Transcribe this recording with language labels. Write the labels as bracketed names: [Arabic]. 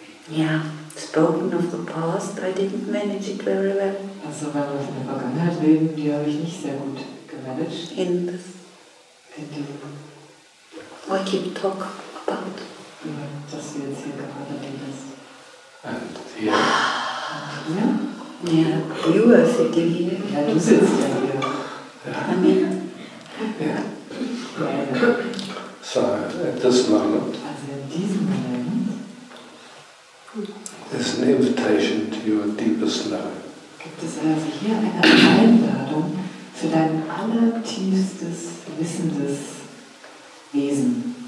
[English] Yeah, spoken of the past, I didn't manage it very well. [German] Also, wenn wir von der Vergangenheit reden, die habe ich nicht sehr gut gemanagt. [English] In this. [German] In dem. [English] What you talk about? [German] Über das wir jetzt hier gerade reden. [English] And here. Yeah? Yeah, you are sitting here. [German] Ja, du sitzt ja hier. [English] Yeah. I mean. Yeah. Yeah. So, at this moment. [German] Also, in diesem Moment. [English] There's an invitation to your deepest knowing. [German] Gibt es also hier eine Einladung für dein allertiefstes wissendes Wesen?